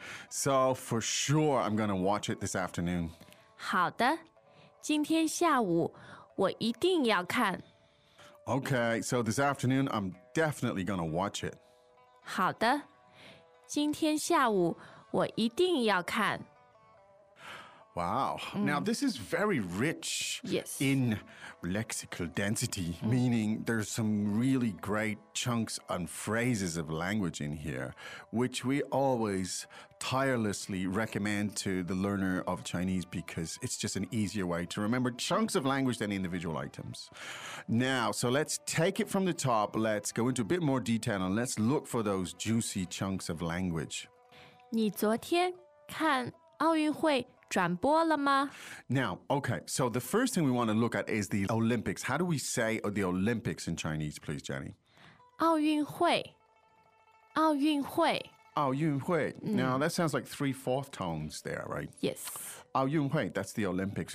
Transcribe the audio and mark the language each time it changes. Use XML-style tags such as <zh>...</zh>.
<en>so for sure I'm going to watch it this afternoon.</en> <zh>好的，今天下午我一定要看。</zh> <en>Okay, so this afternoon I'm definitely going to watch it.</en> <zh>好的，今天下午我一定要看。</zh> <en>Wow. Now, this is very rich in lexical density, meaning there's some really great chunks and phrases of language in here, which we always tirelessly recommend to the learner of Chinese because it's just an easier way to remember chunks of language than individual items. Now, so let's take it from the top. Let's go into a bit more detail and let's look for those juicy chunks of language.</en> <zh>你昨天看奥运会 转播了吗?</zh> <en>Now, okay, so the first thing we want to look at is the Olympics. How do we say the Olympics in Chinese, please, Jenny?</en> <zh>奥运会, 奥运会,</zh> <en>奥运会.Now, that sounds like 3/4 tones there, right? Yes. 奥运会, that's the Olympics.</en>